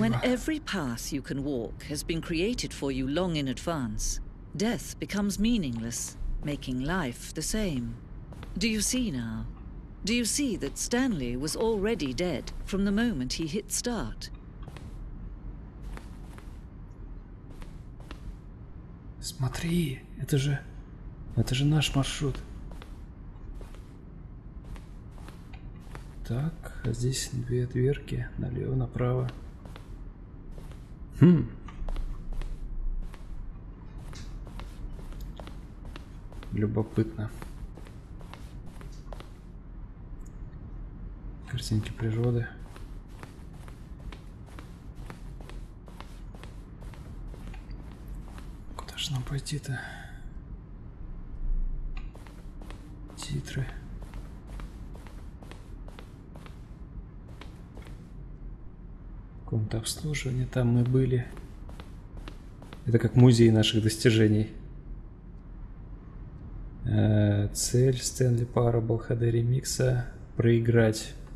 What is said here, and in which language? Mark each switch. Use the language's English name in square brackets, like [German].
[English] When every path you can walk has been created for you long in advance, death becomes meaningless, making life the same. Do you see now? Do you see that Stanley was already dead from the moment he hit start? [Russian] Смотри, это же наш маршрут. Так, а здесь две дверки, налево, направо. Любопытно. Картинки природы. Куда же нам пойти-то? Титры. Комната обслуживания, там мы были. Это как музей наших достижений. Цель Stanley Parable HD ремикса — проиграть.